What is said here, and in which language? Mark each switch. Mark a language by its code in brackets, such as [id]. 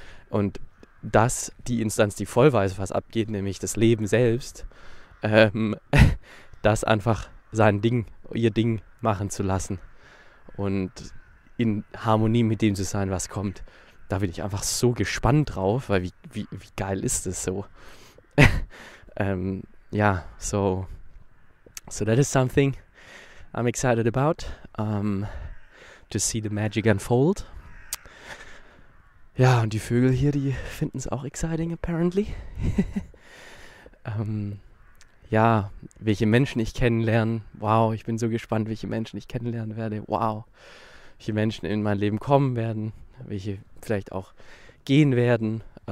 [de] Und dass die Instanz, die voll weiß, was abgeht, nämlich das Leben selbst, das einfach sein Ding, ihr Ding machen zu lassen und in Harmonie mit dem zu sein, was kommt. Da bin ich einfach so gespannt drauf, weil wie geil ist das so? [en] Ja, so that is something I'm excited about, to see the magic unfold. [de] Ja, und die Vögel hier, die finden es auch [en] exciting, apparently. [de] ja, welche Menschen ich kennenlerne. Wow, ich bin so gespannt, welche Menschen ich kennenlernen werde. Wow, welche Menschen in mein Leben kommen werden, welche vielleicht auch gehen werden.